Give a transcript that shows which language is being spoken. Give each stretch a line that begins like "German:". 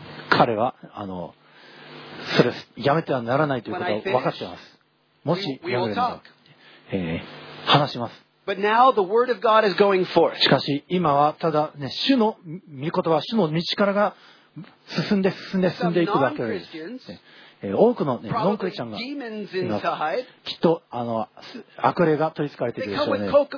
Japanese: 彼は、それ、やめてはならないということを分かっています。もし、やめれば、話します。
English: But now the word of God is going forth.
Japanese: しかし、今は、ただ、ね、主の御言葉、主の御力が、進んで進んで進んでいくだけです。多くの、ね、ノンクリスチャンがいます。きっと悪霊が取り憑かれているでしょうね。